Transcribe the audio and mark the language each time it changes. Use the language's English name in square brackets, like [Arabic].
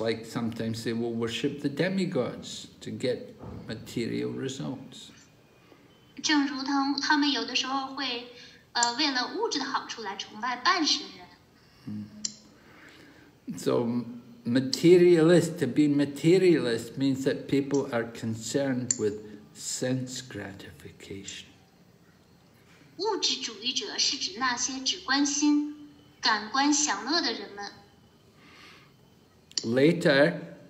[English] like sometimes they will worship the demigods to get material results. [Chinese] 正如他们有的时候会为了物质的好处来崇拜半神人。 [English] So materialist, to be materialist means that people are concerned with sense gratification. [Chinese] 物质主义者是指那些只关心感官享乐的人们。 [English] Later,